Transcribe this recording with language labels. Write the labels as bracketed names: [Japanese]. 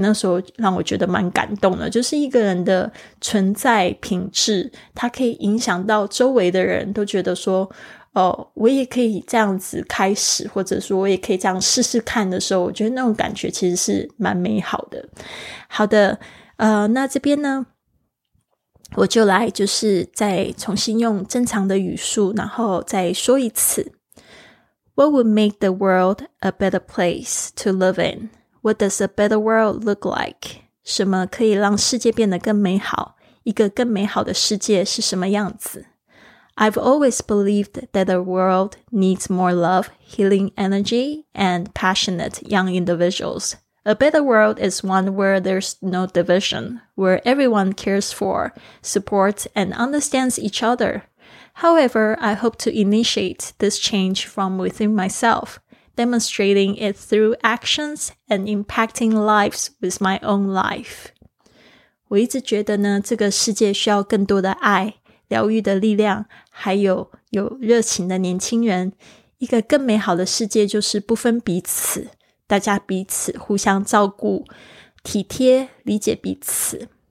[Chinese] 那时候让我觉得蛮感动的，就是一个人的存在品质，他可以影响到周围的人，都觉得说哦，我也可以这样子开始，或者说我也可以这样试试看的时候，我觉得那种感觉其实是蛮美好的。好的，那这边呢，我就来就是再重新用正常的语速，然后再说一次。 [English] What would make the world a better place to live in? What does a better world look like? [Chinese] 什么可以让世界变得更美好？一个更美好的世界是什么样子？ [English] I've always believed that the world needs more love, healing energy, and passionate young individuals. A better world is one where there's no division, where everyone cares for, supports, and understands each other. However, I hope to initiate this change from within myself, demonstrating it through actions and impacting lives with my own life. [Chinese] 我一直觉得呢，这个世界需要更多的爱。疗愈的力量，还有有热情的年轻人。一个更美好的世界就是不分彼此，大家彼此互相照顾，体贴，理解彼此。